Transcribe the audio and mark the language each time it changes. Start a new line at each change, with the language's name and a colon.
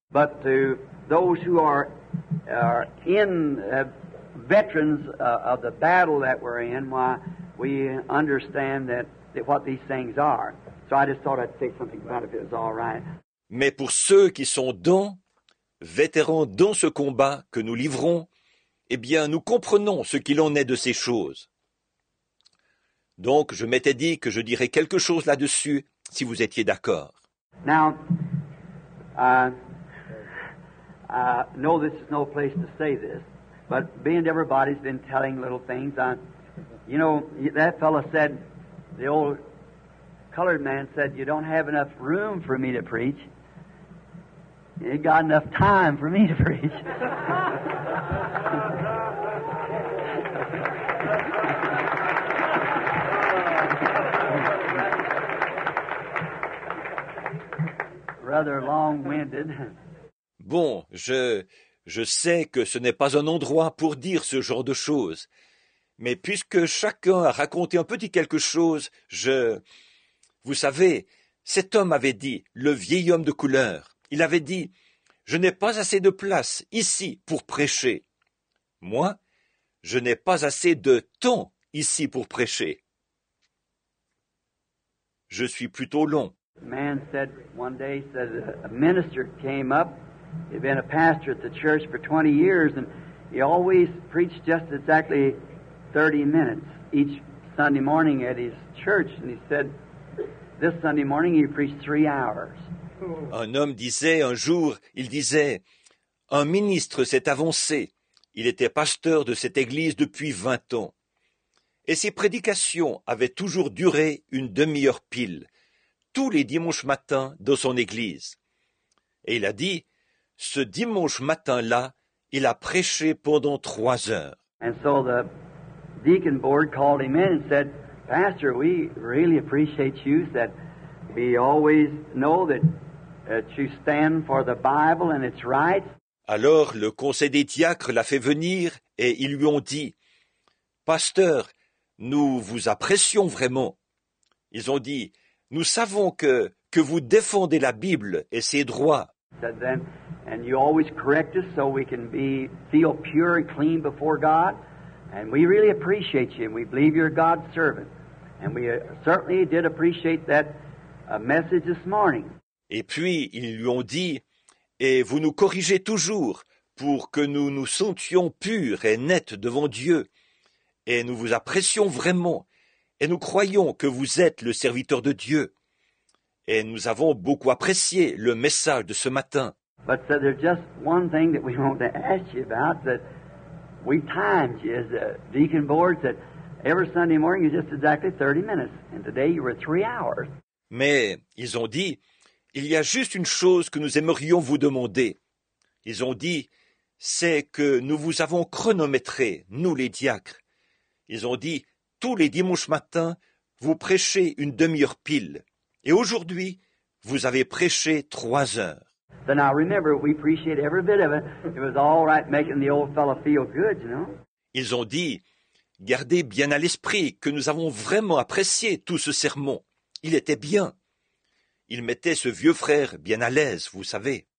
English: But to those who are in veterans of the battle that we're in, why we understand that what these things are. So I just thought I'd say something about it if it was all right.
French: Mais pour ceux qui sont vétérans dans ce combat que nous livrons, eh bien, nous comprenons ce qu'il en est de ces choses. Donc, je m'étais dit que je dirais quelque chose là-dessus, si vous étiez d'accord.
English: Now, I know this is no place to say this, but being everybody's been telling little things, you know, that fellow said, the old colored man said, you don't have enough room for me to preach. You ain't got enough time for me to preach. Rather long-winded.
French: Bon, je sais que ce n'est pas un endroit pour dire ce genre de choses, mais puisque chacun a raconté un petit quelque chose, vous savez, cet homme avait dit, le vieil homme de couleur, il avait dit, je n'ai pas assez de place ici pour prêcher. Moi, je n'ai pas assez de temps ici pour prêcher. Je suis plutôt long.
English: Man said one day, said a minister came up. He'd been a pastor at the church for 20 years, and he always preached just exactly 30 minutes each Sunday morning at his church. And he said, this Sunday morning he preached 3 hours.
French: Un homme disait un jour, il disait, un ministre s'est avancé. Il était pasteur de cette église depuis 20 ans. Et ses prédications avaient toujours duré une demi-heure pile, tous les dimanches matins dans son église. Et il a dit, ce dimanche matin-là, il a prêché pendant 3 heures.
English: And so the deacon board called him in and said, Pastor, we really appreciate you. That we always know that you stand for the Bible and its rights.
French: Alors le conseil des diacres l'a fait venir et ils lui ont dit, « Pasteur, nous vous apprécions vraiment. » Ils ont dit, « Nous savons que vous défendez la Bible et ses droits. »
English: And you always correct us so we can be feel pure and clean before God. And we really appreciate you, and we believe you're God's servant. And we certainly did appreciate that message this morning.
French: Et puis, ils lui ont dit, et vous nous corrigez toujours pour que nous nous sentions purs et nets devant Dieu. Et nous vous apprécions vraiment. Et nous croyons que vous êtes le serviteur de Dieu. Et nous avons beaucoup apprécié le message de ce matin.
English: But so there's just one thing that we want to ask you about, that we timed you as a deacon board, that every Sunday morning is just exactly 30 minutes, and today you were 3 hours.
French: Mais ils ont dit, il y a juste une chose que nous aimerions vous demander. Ils ont dit, c'est que nous vous avons chronométré, nous les diacres. Ils ont dit, tous les dimanches matins, vous prêchez une demi-heure pile, et aujourd'hui, vous avez prêché 3 heures.
English: Then I remember we appreciate every bit of it. It was all right making the old fellow feel good, you know.
French: Ils ont dit, gardez bien à l'esprit que nous avons vraiment apprécié tout ce sermon. Il était bien. Il mettait ce vieux frère bien à l'aise, vous savez.